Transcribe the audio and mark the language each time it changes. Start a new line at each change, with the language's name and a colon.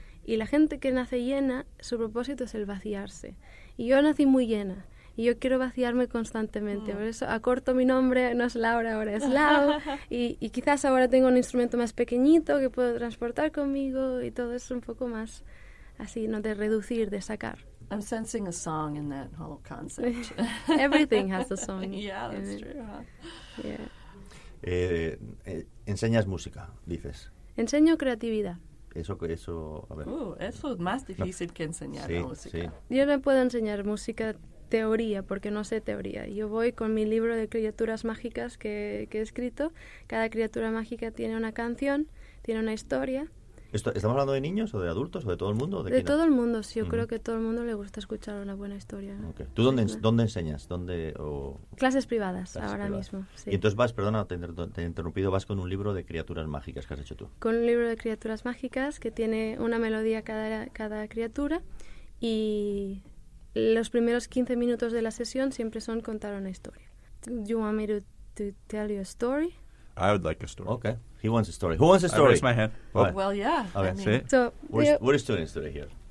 Spanish: Y la gente que nace llena, su propósito es el vaciarse. Y yo nací muy llena, y yo quiero vaciarme constantemente. Por eso acorto mi nombre, no es Laura, ahora es Lau. Y quizás ahora tengo un instrumento más pequeñito que puedo transportar conmigo, y todo es un poco más así, ¿no? De reducir, de sacar.
English: I'm sensing a song in that whole concept. Everything has a song. Yeah, that's true, huh? Yeah.
Spanish: Enseñas música, dices. Enseño creatividad. Eso, a ver. Eso es más difícil que enseñar música. Sí. Yo no puedo enseñar música teoría, porque no sé teoría. Yo voy con mi libro de criaturas mágicas que he escrito. Cada criatura mágica tiene una canción, tiene una historia. ¿Estamos hablando de niños o de adultos o de todo el mundo? De todo el mundo, sí. Yo creo que a todo el mundo le gusta escuchar una buena historia. Okay. ¿Tú dónde enseñas? Clases privadas, ahora mismo. Sí. Y entonces te he interrumpido, vas con un libro de criaturas mágicas que has hecho tú. Con un libro de criaturas mágicas que tiene una melodía cada criatura y los primeros 15 minutos de la sesión siempre son contar una historia.
English: You want me to tell you a story? I would like a story. Okay. He wants a story. Who wants a story? I raise my hand. What? Well, yeah. Okay, I mean. See? So, what is doing story here?